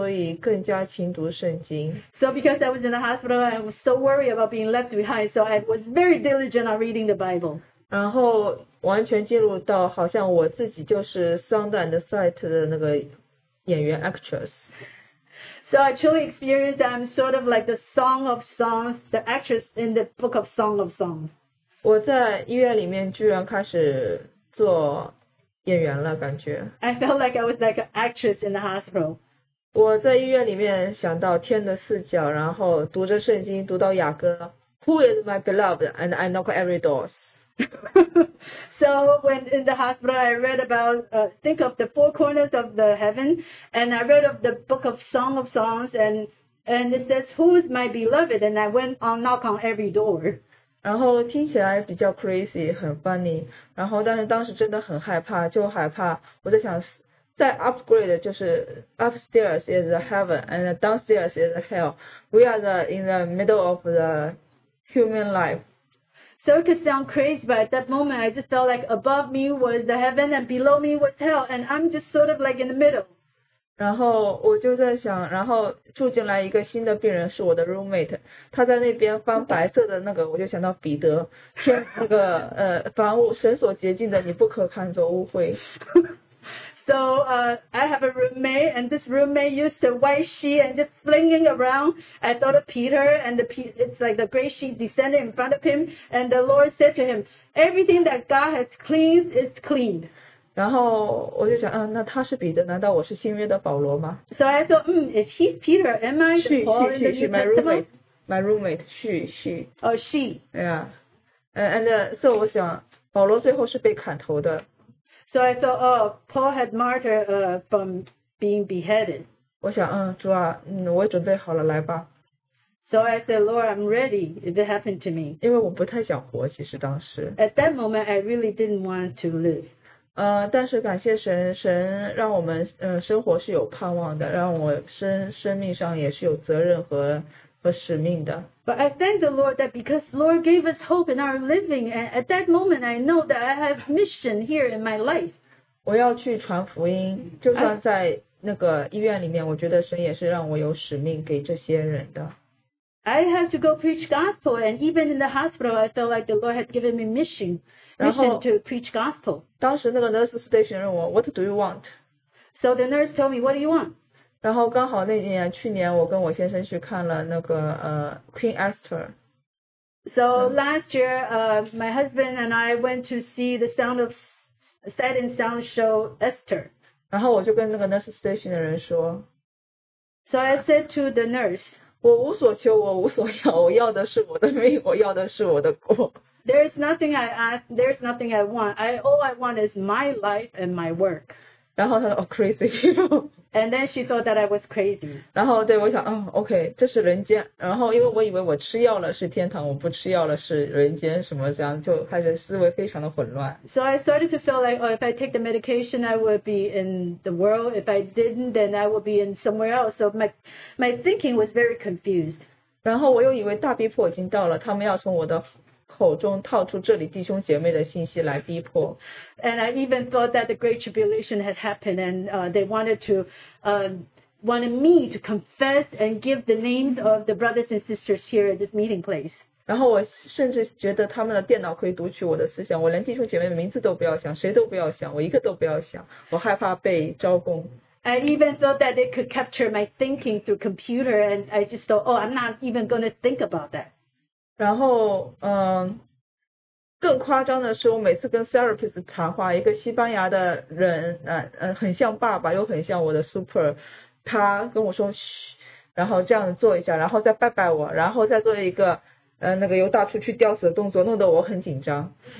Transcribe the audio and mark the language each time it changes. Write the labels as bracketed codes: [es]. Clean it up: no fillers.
[zh] 对，然后就是工作得息。然后因为在医院里面，我害怕被撇下，所以更加勤读圣经。 [en] So because I was in the hospital, I was so worried about being left behind, so I was very diligent on reading the Bible. [zh] 然后完全进入到好像我自己就是 Sundance Set 的那个演员 [en] actress. So I truly experienced that I'm sort of like the Song of Songs, the actress in the Book of Song of Songs. [zh] 我在医院里面居然开始做演员了，感觉。 [en] I felt like I was like an actress in the hospital. [zh] 我在医院里面想到天的视角，然后读着圣经，读到雅歌， [en] Who is my beloved? And I knock every doors. So when in the hospital, I read about, think of the four corners of the heaven, and I read of the Book of Song of Songs, and it says, who is my beloved? And I went on knock on every door. [zh] 然后听起来比较 [en] crazy [zh] 很 [en] funny， [zh] 然后但是当时真的很害怕，就害怕我在想在 [en] upgrade， [zh] 就是 [en] upstairs is the heaven and downstairs is the hell， we are the, in the middle of the human life。 So it could sound crazy, but at that moment I just felt like above me was the heaven and below me was hell and I'm just sort of like in the middle。 [zh] 然后我就在想，然后住进来一个新的病人是我的 roommate， 他在那边翻白色的那个，我就想到彼得天那个凡物神所洁净的你不可看作污秽。 [en] So I have a roommate, and this roommate used a white sheet and just flinging around. I thought of Peter, and it's like the gray sheet descended in front of him, and the Lord said to him, everything that God has cleaned is clean. [zh] 然后我就想，那他是彼得，难道我是新约的保罗吗？ [en] So I thought, if he's Peter, am I the Paul in the New Testament? My roommate, she. Oh, she. Yeah. And so [zh] 我想，保罗最后是被砍头的。 [en] So I thought, oh, Paul had martyred from being beheaded. [zh] 我想，主啊，我准备好了，来吧。 [en] So I said, Lord, I'm ready if it happened to me. [zh] 因为我不太想活，其实当时。 [en] At that moment, I really didn't want to live. [zh] 但是感谢神，神让我们生活是有盼望的，让我生命上也是有责任和使命的。 [en] But I thank the Lord that because the Lord gave us hope in our living, and at that moment I know that I have mission here in my life. [zh] 我要去传福音，就算在那个医院里面，我觉得神也是让我有使命给这些人的。 [en] I have to go preach gospel, and even in the hospital, I felt like the Lord had given me mission to preach gospel. [zh] 当时那个 [en] nurse station [zh] 问我 [en] ，What do you want? So the nurse told me, What do you want? [zh] 然后刚好那年去年我跟我先生去看了那个Queen Esther。 [en] So last year, my husband and I went to see the Sight and Sound show Esther. [zh] 然后我就跟那个 nurse station 的人说。 [en] So I said to the nurse. [zh] 我无所求，我无所要，我要的是我的命，我要的是我的国。 [en] There is nothing I ask. There is nothing I want. All I want is my life and my work. [zh] 然后他说 [en] ，Oh, crazy people. And then she thought that I was crazy. [zh] 然后对我想，OK， 这是人间。然后因为我以为我吃药了是天堂，我不吃药了是人间，什么这样就开始思维非常的混乱。 [en] So I started to feel like, oh, if I take the medication, I would be in the world. If I didn't, then I would be in somewhere else. So my thinking was very confused. [zh] 然后我又以为大逼迫已经到了，他们要从我的口中套出这里弟兄姐妹的信息来逼迫。 [en] And I even thought that the great tribulation had happened and they wanted me to confess and give the names of the brothers and sisters here at this meeting place. [zh] 然后我甚至觉得他们的电脑可以读取我的思想，我连弟兄姐妹的名字都不要想，谁都不要想，我一个都不要想，我害怕被招供。 [en] I even thought that they could capture my thinking through computer and I just thought, oh, I'm not even going to think about that. [zh] 然后更夸张的是我每次跟 therapist 谈话，一个西班牙的人很像爸爸又很像我的 super， 他跟我说嘘，然后这样做一下，然后再拜拜我，然后再做一个那个由大出去吊死的动作，弄得我很紧张。